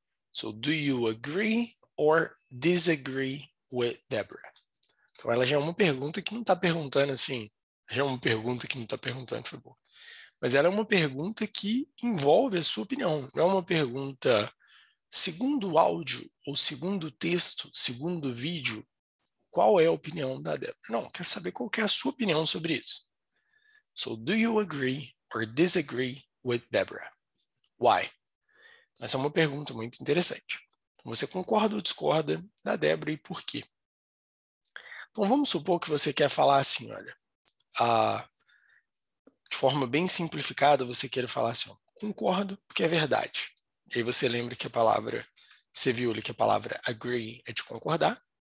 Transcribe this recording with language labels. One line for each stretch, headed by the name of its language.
English: So, do you agree or disagree with Deborah?
Portuguese: Então, ela já é uma pergunta que não está perguntando assim. Já é uma pergunta que não está perguntando, foi boa. Mas ela é uma pergunta que envolve a sua opinião. Não é uma pergunta segundo o áudio, ou segundo o texto, segundo o vídeo, qual é a opinião da Deborah? Não, quero saber qual que é a sua opinião sobre isso.
English: So, do you agree or disagree with Deborah? Why?
Portuguese: Essa é uma pergunta muito interessante. Você concorda ou discorda da Deborah e por quê? Então, vamos supor que você quer falar assim, olha. De forma bem simplificada, você quer falar assim, ó, concordo, porque é verdade. E aí você lembra que a palavra, você viu ali que a palavra agree é de concordar.